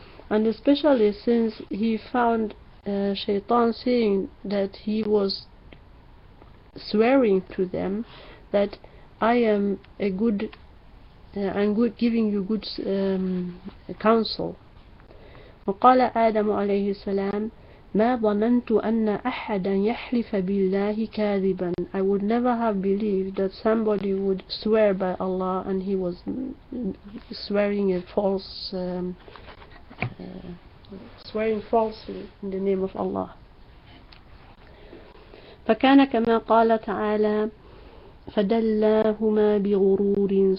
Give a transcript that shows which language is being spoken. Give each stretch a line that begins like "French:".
English: And especially since he found Shaitan saying that he was swearing to them that I am a good, I'm good, giving you good counsel.
Arabic: وقال آدم عليه السلام ما ظننت أن أحدا يحلف بالله كاذبا.
English: I would never have believed that somebody would swear by Allah and he was swearing a false swearing falsely in the name of Allah.
Arabic: فكان كما قال تعالى فدلاهما بغرور.